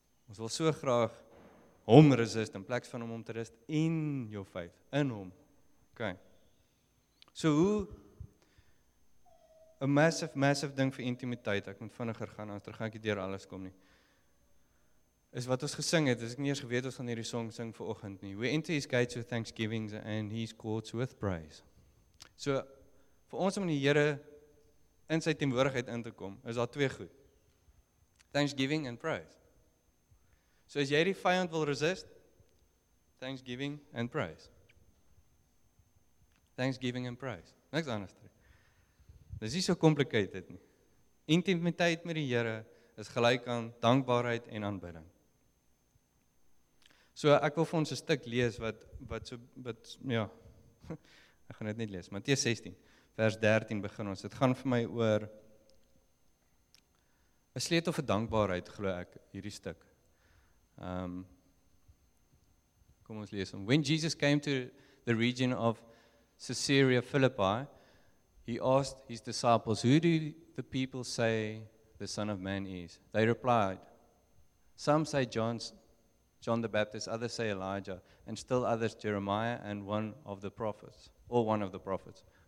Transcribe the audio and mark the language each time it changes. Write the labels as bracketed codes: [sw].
[af] Ons wil so graag hom resist in plaas van hom om te rust in jou faith, in hom. OK. So hoe, 'n massive, massive ding vir intimiteit, ek moet vinniger gaan, anders gaan ek nie deur alles kom nie, is wat ons gesing het, as ek nie eers geweet ons gaan hierdie song sing vir oggend nie. [en] We enter his gates with thanksgiving and his courts with praise. [af] So, vir ons om die Here in sy teenwoordigheid in te kom, is daar twee goed. [en] Thanksgiving and praise. So [af] as jy die vyand wil [en] resist, thanksgiving and praise. Thanksgiving and praise. [af] Niks anders. Dit is nie so complicated nie. Intimiteit met die Here is gelyk aan dankbaarheid en aanbidding. So ek wil vir ons 'n stuk lees wat ek gaan dit net lees. Matteus 16 vers 13 begin ons. Dit gaan vir my oor 'n sleutel vir dankbaarheid, glo ek, hierdie stuk. Kom ons lees hom. [en] When Jesus came to the region of Caesarea Philippi, he asked his disciples, "Who do the people say the Son of Man is?" They replied, "Some say John the Baptist, others say Elijah, and still others Jeremiah and one of the prophets, or one of the prophets."